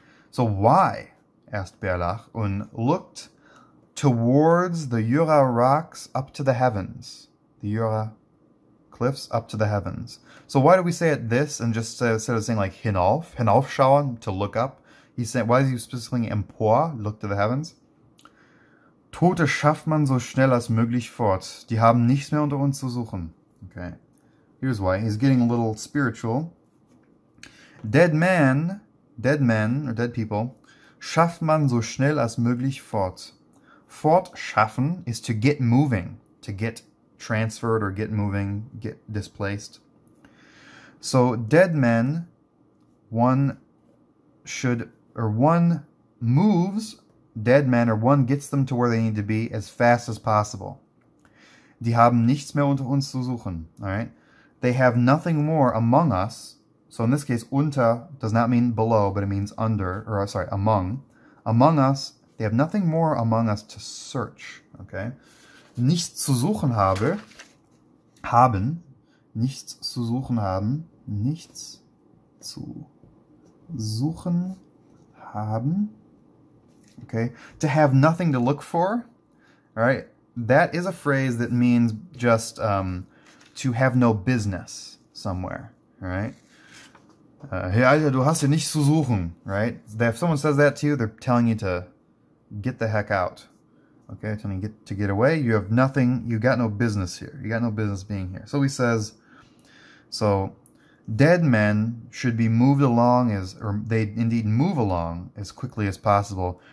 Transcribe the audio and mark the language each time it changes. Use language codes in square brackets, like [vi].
[en] So why, asked Bärlach, [de] und [en] looked towards the Jura Rocks up to the heavens. The Jura Cliffs up to the heavens. So why do we say it this, and just instead of saying like hinaufschauen, to look up, he's saying, why is he specifically empor, look to the heavens? [de] Tote schafft man so schnell als möglich fort. Die haben nichts mehr unter uns zu suchen. [en] Okay. Here's why. He's getting a little spiritual. Dead men, or dead people, [de] schafft man so schnell als möglich fort. [en] Fort schaffen is to get moving, to get transferred or get moving, get displaced. So dead men, one moves dead men, or one gets them to where they need to be as fast as possible. [de] Die haben nichts mehr unter uns zu suchen. [en] All right, they have nothing more among us. So in this case, unter does not mean below, but it means under, or sorry, among. Among us, they have nothing more among us to search. [de] Okay, nichts zu suchen haben, nichts zu suchen haben, nichts zu suchen haben. [en] Okay, to have nothing to look for, all right? That is a phrase that means just to have no business somewhere, all right? [de] Hey, Alter, du hast hier nichts zu suchen, right? [en] If someone says that to you, they're telling you to get the heck out, okay? Telling you to get away. You have nothing, you got no business here. You got no business being here. So he says, so dead men should be moved along as, or they indeed move along as quickly as possible.